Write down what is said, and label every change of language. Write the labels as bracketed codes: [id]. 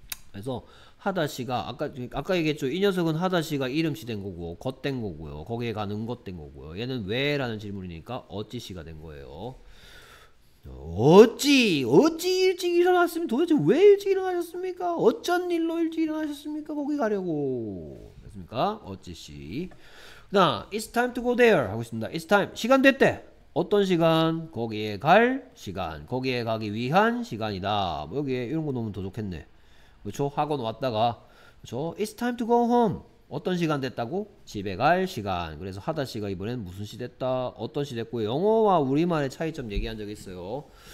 [ko] 그래서 하다시가 아까 얘기했죠. 이 녀석은 하다시가 이름시 된 거고 겉된 거고요. 거기에 가는 것된 거고요. 얘는 왜라는 질문이니까 어찌시가 된 거예요. 어찌 일찍 일어났으면 도대체 왜 일찍 일어나셨습니까? 어쩐 일로 일찍 일어나셨습니까? 거기 가려고. 됐습니까? 어찌시. 그다음 [en] It's time to go there [ko] 하고 있습니다. [en] It's time. [ko] 시간 됐대. 어떤 시간? 거기에 갈 시간. 거기에 가기 위한 시간이다. 여기에 이런 거 넣으면 더 좋겠네. 그쵸? 학원 왔다가. 그쵸? [en] It's time to go home. [ko] 어떤 시간 됐다고? 집에 갈 시간. 그래서 하다시가 이번엔 무슨 시 됐다? 어떤 시 됐고요. 영어와 우리말의 차이점 얘기한 적 있어요.